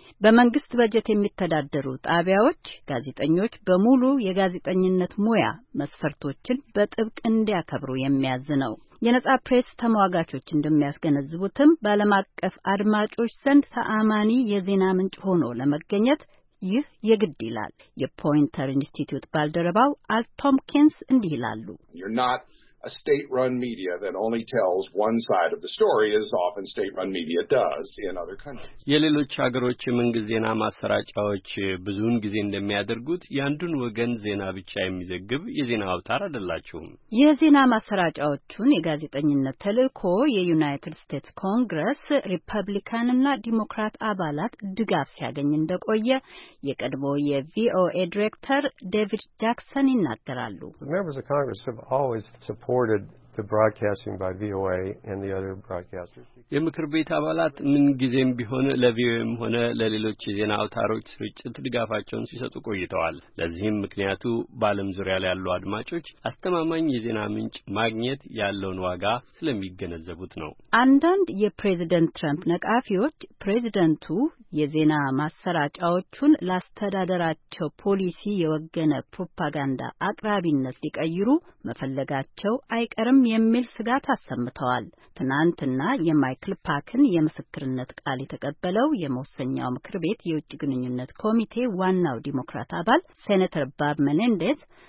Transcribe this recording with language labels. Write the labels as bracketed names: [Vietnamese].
[Amharic] በመንግስት በጀት የሚተዳደሩ ጣቢያዎች ጋዜጠኞች በሙሉ የጋዜጠኝነት ሙያ መስፈርቶችን በጥብቅ እንዲያከብሩ የሚያዝ ነው። የነጻ ፕሬስ ተሟጋቾች እንደሚያስገነዝቡትም በዓለም አቀፍ አድማጮች ዘንድ ተአማኒ የዜና ምንጭ ሆኖ ለመገኘት ይህ የግድ ይላል። የፖይንተር ኢንስቲትዩት ባልደረባው አል ቶምኪንስ እንዲህ ይላሉ። [English] You're not a state-run media that only tells one side of the story as often state-run media does in other countries. [Amharic] የሌሎች ሀገሮች የመንግስት ዜና ማሰራጫዎች ብዙውን ጊዜ እንደሚያደርጉት ያንዱን ወገን ዜና ብቻ የሚዘግብ የዜና አውታር አይደላችሁም። የዜና ማሰራጫዎቹን የጋዜጠኝነት ተልእኮ የዩናይትድ ስቴትስ ኮንግረስ ሪፐብሊካን እና ዲሞክራት አባላት ድጋፍ ሲያገኝ እንደቆየ የቀድሞ የቪኦኤ ዲሬክተር ዴቪድ ጃክሰን ይናገራሉ። [English] Members of Congress have always supported the broadcasting by VOA and the other broadcasters. [Amharic] የምክር ቤት አባላት ምን ጊዜም ቢሆን ለቪኦኤም ሆነ ለሌሎች የዜና አውታሮች ስርጭት ድጋፋቸውን ሲሰጡ ቆይተዋል። ለዚህም ምክንያቱ በዓለም ዙሪያ ላይ ያሉ አድማጮች አስተማማኝ የዜና ምንጭ ማግኘት ያለውን ዋጋ ስለሚገነዘቡት ነው። አንዳንድ የፕሬዝደንት ትራምፕ ነቃፊዎች ፕሬዝደንቱ የዜና ማሰራጫዎቹን ላስተዳደራቸው ፖሊሲ የወገነ ፕሮፓጋንዳ አቅራቢነት ሊቀይሩ መፈለጋቸው አይቀርም የሚል ስጋት አሰምተዋል። ትናንትና የማይክል ፓክን የምስክርነት ቃል የተቀበለው የመወሰኛው ምክር ቤት የውጭ ግንኙነት ኮሚቴ ዋናው ዲሞክራት አባል ሴኔተር ባብ መኔንዴዝ